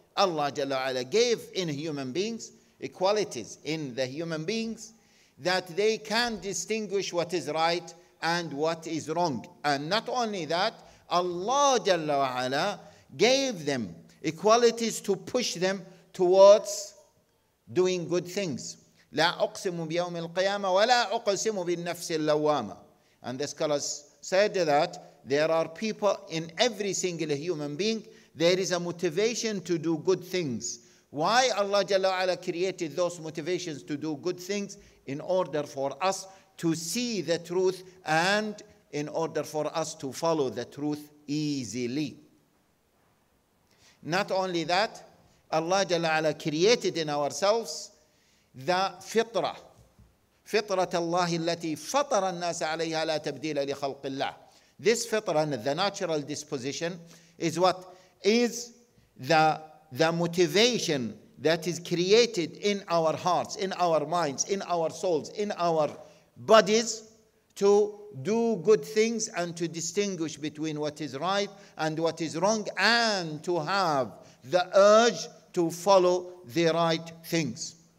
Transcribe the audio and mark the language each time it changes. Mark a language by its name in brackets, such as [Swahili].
[English] Allah Jalla Ala gave in human beings, equalities in the human beings, that they can distinguish what is right and what is wrong. And not only that, Allah Jalla Ala gave them equalities to push them towards doing good things. [Arabic] لا أقسم بيوم القيامة ولا أقسم بالنفس اللوامة. [English] And the scholars said that there are people in every single human being, there is a motivation to do good things. Why Allah Jalla Ala created those motivations to do good things? In order for us to see the truth and in order for us to follow the truth easily. Not only that, Allah Jalla Ala created in ourselves the fitrah. [Arabic] Fitrat Allah التي فطر الناس عليها لا تبديل لخلق الله. [English] This fitrah, the natural disposition, is what is the motivation that is created in our hearts, in our minds, in our souls, in our bodies to do good things and to distinguish between what is right and what is wrong and to have the urge to follow the right things.